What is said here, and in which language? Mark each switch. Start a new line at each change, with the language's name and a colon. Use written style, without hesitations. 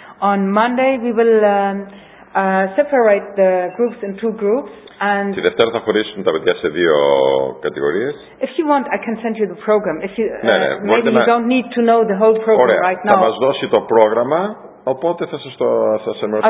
English: On Monday we will separate the groups in two groups. And
Greek: τη Δευτέρα θα χωρίσουν τα παιδιά σε δύο κατηγορίες.
English: If you want, I can send you the program. If you, maybe you don't need to know the whole program
Greek: ωραία,
English: right now.
Greek: Θα μας δώσει το πρόγραμμα, οπότε θα σας το ενημερώσω.